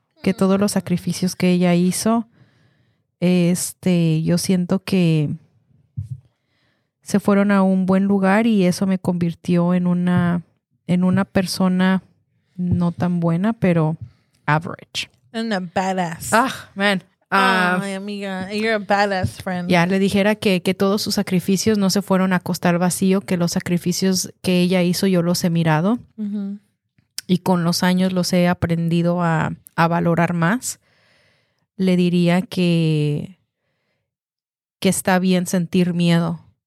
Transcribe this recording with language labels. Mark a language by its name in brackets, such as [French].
[Spanish] Que todos los sacrificios que ella hizo, yo siento que se fueron a un buen lugar y eso me convirtió en una persona no tan buena, pero average. [English] And a badass. Ah, man. Ay, amiga, you're a badass friend. [Spanish] Ya, le dijera que todos sus sacrificios no se fueron a costar vacío, que los sacrificios que ella hizo yo los he mirado. Y con los años los he aprendido a valorar más. Le diría que está bien sentir miedo.